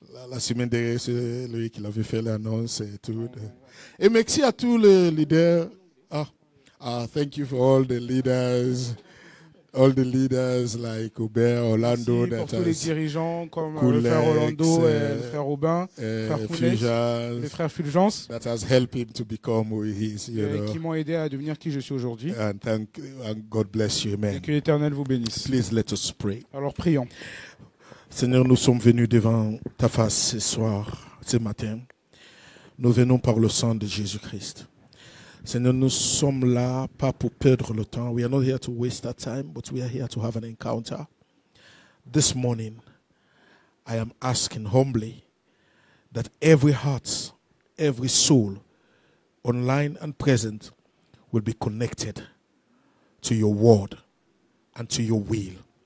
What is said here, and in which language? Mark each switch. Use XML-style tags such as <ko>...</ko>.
<fr>La semaine dernière, c'est lui qui l'avait fait l'annonce et tout. Et merci à tous les leaders.</fr> <en>Thank you for all the leaders. All the leaders like Hubert, Orlando,</en> <fr>merci pour tous les dirigeants comme le frère Orlando et le frère Robin, le frère Fulgence,</fr> <en>that has helped him to become who he is, you know.</en> <fr>Qui m'ont aidé à devenir qui je suis aujourd'hui.</fr> <en>And God bless you, amen.</en> <fr>Et que l'Éternel vous bénisse.</fr> <en>Please let us pray.</en> <fr>Alors prions. Seigneur, nous sommes venus devant ta face ce soir, ce matin. Nous venons par le sang de Jésus-Christ. Seigneur, nous sommes là pas pour perdre le temps.</fr> <en>We are not here to waste our time, but we are here to have an encounter. This morning, I am asking humbly that every heart, every soul, online and present, will be connected to your word and to your will.</en>